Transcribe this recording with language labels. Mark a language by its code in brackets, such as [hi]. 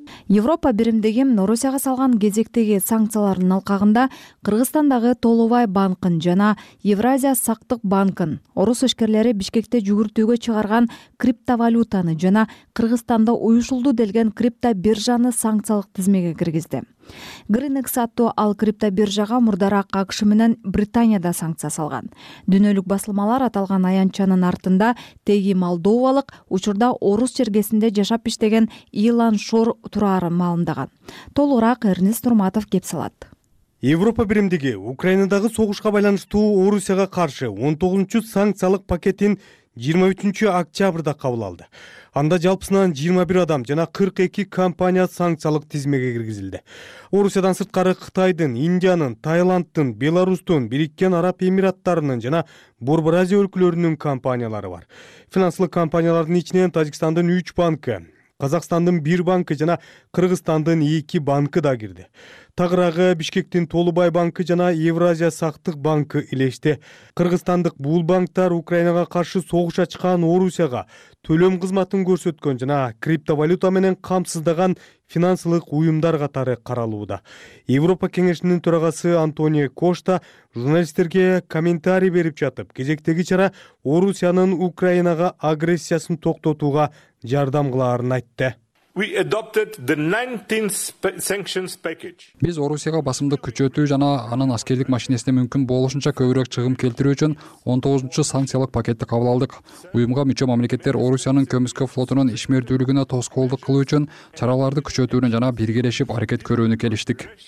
[ky] Европа биримдиги Орусияга салган кезектеги санкциялардын алкагында Кыргызстандагы Толубай банкын жана Евразия сактык банкын, орус ишкерлери Бишкекте жүгүртүүгө чыгарган криптовалютаны жана Кыргызстанда уюшулду делген крипто биржаны санкциялык тизмеге киргизди. Гринекс аттуу ал крипто биржага мурдараак АКШ менен Британияда санкция салган. Дүйнөлүк басылмалар аталган аянтчанын артында теги молдовалык, учурда орус жергесинде жашап иштеген Илан Шор турарын маалымдаган. Толугураак Эрнис Нурматов кеп салат. Европа биримдиги Украинадагы согушка байланыштуу Орусияга каршы 19-чу санкциялык пакетин 23-октябрда кабыл алды. Анда жалпысынан 21 адам жана 42 компания санкциялык тизмеге киргизилди. Орусиядан сырткары Кытайдын, Индиянын, Тайландтын, Беларусьтун, Бириккен Араб Эмираттарынын жана Борбор Азия өлкөлөрүнүн компаниялары бар. Финансылык компаниялардын ичинен Тажикстандын 3 банкы, Казакстандын 1 банкы жана Кыргызстандын 2 банкы да кирди. Тагыраагы Бишкектин Толубай банкы жана Евразия сактык банкы илешти. Кыргызстандык бул банктар Украинага каршы согуш ачкан Орусияга төлөм кызматын көрсөткөн жана криптовалюта менен камсыздаган финансылык уюмдар катары каралууда. Европа Кеңешинин төрагасы Антони Кошта журналисттерге комментарий берип жатып, кезектеги чара Орусиянын Украинага агрессиясын токтотууга жардам кылаарын айтты. [en] We adopted the 19th sanctions package. [ky] Биз Орусияга басымды күчөтүү жана анын аскердик машинесине мүмкүн болушунча көбүрөөк чыгым келтирүү үчүн 19-чу санкциялык пакетти кабыл алдык. Уюмга мүчө мамлекеттер Орусиянын Көмүскө флотунун ишмердүүлүгүнө тоскоолдук кылуу үчүн чараларды күчөтүүнү жана биргелешип аракет көрүүнү келиштик.